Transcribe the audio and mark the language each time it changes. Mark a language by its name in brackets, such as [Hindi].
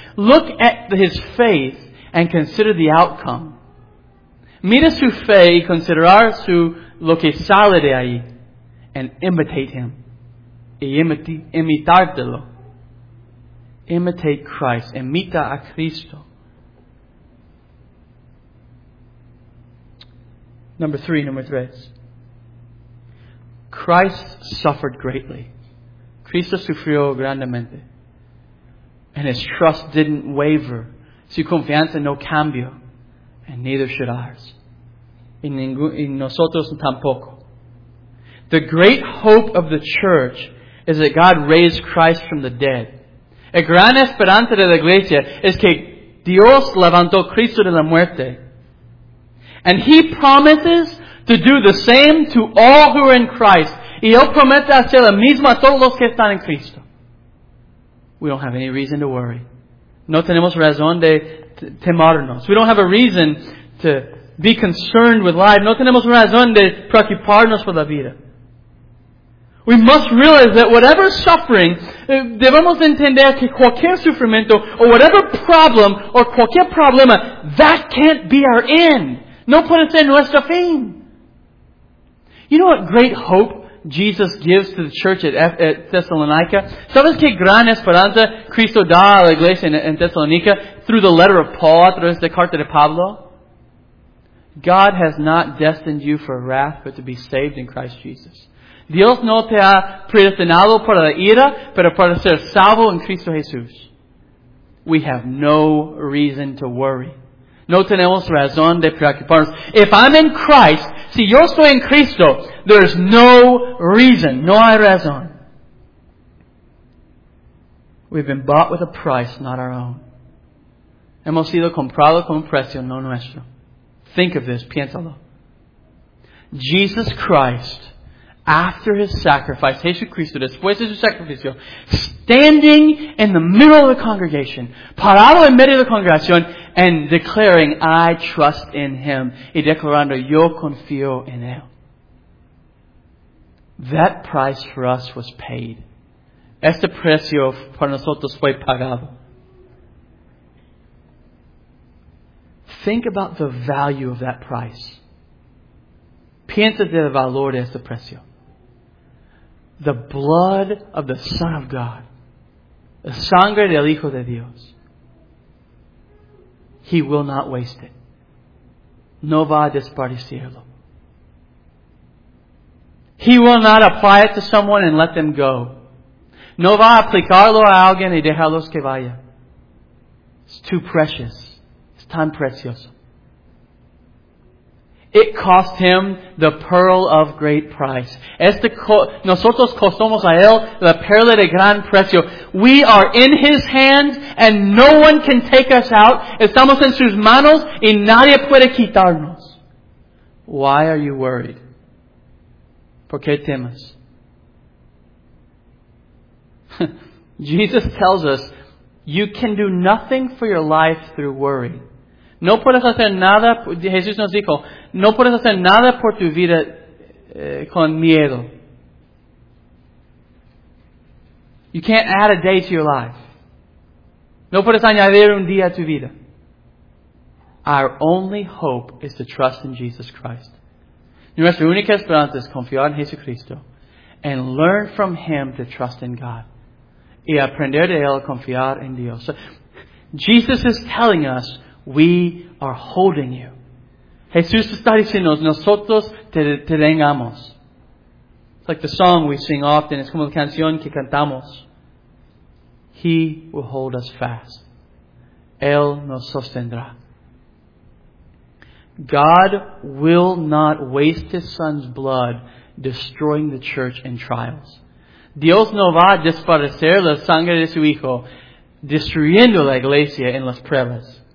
[English] Look at His faith and consider the outcome. [Spanish] Mira su fe y considerar su lo que sale de ahí. [English] And imitate Him. [Spanish] Imitártelo. [English] Imitate Christ. [Spanish] Imita a Cristo. [English] Number three. Christ suffered greatly. [Spanish] Cristo sufrió grandemente. [English] And His trust didn't waver. [Spanish] Su confianza no cambió. [English] And neither should ours. [Spanish] Y nosotros tampoco. [English] The great hope of the church is that God raised Christ from the dead. [Spanish] El gran esperanza de la iglesia es que Dios levantó Cristo de la muerte. [English] And He promises to do the same to all who are in Christ. [Spanish] Y Él promete hacer lo mismo a todos los que están en Cristo. [English] We don't have any reason to worry. [Spanish] No tenemos razón de temernos. [English] We don't have a reason to be concerned with life. [Spanish] No tenemos razón de preocuparnos por la vida. [English] We must realize that whatever suffering, [Spanish] debemos entender que cualquier sufrimiento [English] or whatever problem or [Spanish] cualquier problema, [English] that can't be our end. [Spanish] No puede ser nuestro fin. [English] You know what great hope Jesus gives to the church at Thessalonica? [Spanish] ¿Sabes qué gran esperanza Cristo da a la iglesia en Thessalonica [English] through the letter of Paul, through the [Spanish] carta de Pablo? [English] God has not destined you for wrath, but to be saved in Christ Jesus. [Spanish] Dios no te ha predestinado para la ira, pero para ser salvo en Cristo Jesús. [English] We have no reason to worry. [Spanish] No tenemos razón de preocuparnos. [English] If I'm in Christ, [Spanish] si yo estoy en Cristo, [English] there's no reason, [Spanish] no hay razón. [English] We've been bought with a price, not our own. [Spanish] Hemos sido comprados con un precio, no nuestro. [English] Think of this, [Spanish] piénsalo. [English] Jesus Christ, after His sacrifice, [Spanish] Jesucristo, después de su sacrificio, [English] standing in the middle of the congregation, [Spanish] parado en medio de la congregación, [English] and declaring, I trust in Him. [Spanish] Y declarando, yo confío en Él. [English] That price for us was paid. [Spanish] Este precio para nosotros fue pagado. [English] Think about the value of that price. [Spanish] Piensa del valor de este precio. [English] The blood of the Son of God. [Spanish] La sangre del Hijo de Dios. [English] He will not waste it. [Spanish] No va a desperdiciarlo. [English] He will not apply it to someone and let them go. [Spanish] No va a aplicarlo a alguien y dejarlos que vaya. [English] It's too precious. It's [Spanish] tan precioso. [English] It cost him the pearl of great price. [Spanish] Nosotros costamos a él la perla de gran precio. [English] We are in his hands and no one can take us out. [Spanish] Estamos en sus manos y nadie puede quitarnos. [English] Why are you worried? [Spanish] ¿Por qué temes? [English] Jesus tells us, you can do nothing for your life through worry. [Spanish] No puedes hacer nada, Jesús nos dijo, no puedes hacer nada por tu vida con miedo. [English] You can't add a day to your life. [Spanish] No puedes añadir un día a tu vida. [English] Our only hope is to trust in Jesus Christ. [Spanish] Nuestra única esperanza es confiar en Jesucristo [English] and learn from Him to trust in God. [Spanish] Y aprender de él a confiar en Dios. [English] So, Jesus is telling us, we are holding you. [Spanish] Jesús está diciendo, nosotros te tengamos. [English] It's like the song we sing often. [Spanish] Es como la canción que cantamos. [English] He will hold us fast. [Spanish] Él nos sostendrá. [English] God will not waste His Son's blood destroying the church in trials. [Spanish] Dios no va a desaparecer la sangre de su Hijo destruyendo la iglesia en las pruebas.